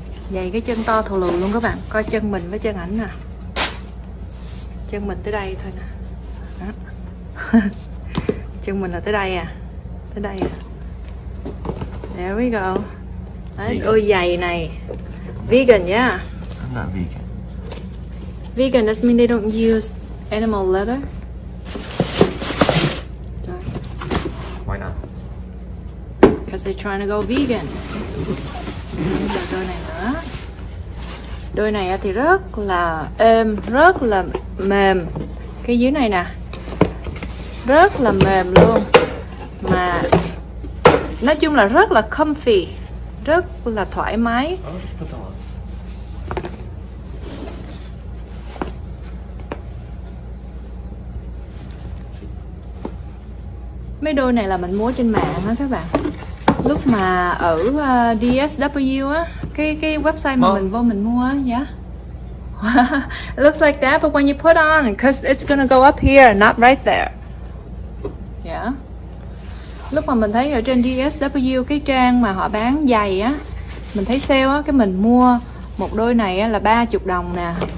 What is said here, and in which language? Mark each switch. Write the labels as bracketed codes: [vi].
[vi] Vậy cái chân to thù lù luôn các bạn. Coi chân mình với chân ảnh nè. Chân mình tới đây thôi nè. Chân mình là tới đây à. Tới đây à. [en] There we go. [vi] Đấy, đôi giày này vegan, yeah. [en] I'm not vegan. Vegan, that means they don't use animal leather. Why not? Because they're trying to go vegan. [vi] Đôi này nữa. Đôi này thì rất là êm, rất là mềm. Cái dưới này nè. Rất là mềm luôn. Mà nói chung là rất là comfy. Rất là thoải mái. Mấy đôi này là mình mua trên mạng á các bạn. Lúc mà ở DSW á, cái website mà mình vô mình mua á, yeah. [en] It looks like that, but when you put on, cause it's gonna go up here, not right there. Yeah. [vi] Lúc mà mình thấy ở trên DSW cái trang mà họ bán giày á, mình thấy sale á, cái mình mua một đôi này á là 30 đồng nè.